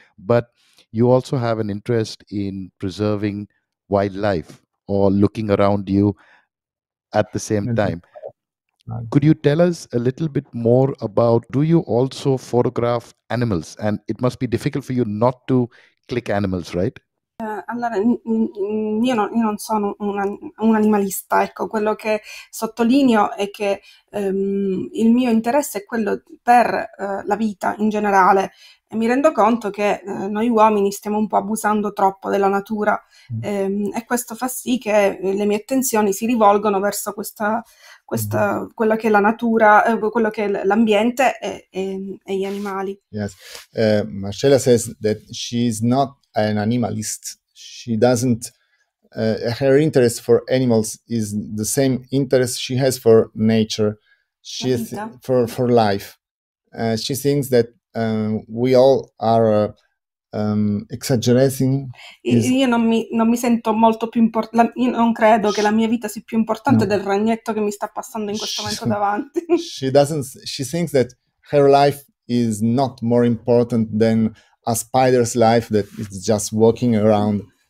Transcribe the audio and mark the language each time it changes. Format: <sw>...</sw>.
<en>But you also have an interest in preserving wildlife or looking around you at the same time. Could you tell us a little bit more about, do you also photograph animals? And it must be difficult for you not to click animals, right?</en> <it>Allora, io non sono un animalista, ecco, quello che sottolineo è che il mio interesse è quello per la vita in generale e mi rendo conto che noi uomini stiamo un po' abusando troppo della natura e questo fa sì che le mie attenzioni si rivolgono verso questa quello che è la natura, quello che è l'ambiente e gli animali.</it> <en>Yes, Marcella says that she's not an animalist. She doesn't, her interest for animals is the same interest she has for nature, for life. She thinks that we all are exaggerating.</en> <it>Io non mi sento molto più importante, io non credo che la mia vita sia più importante del ragnetto che mi sta passando in questo momento davanti.</it> <en>She thinks that her life is not more important than a spider's life that is just walking around.</en>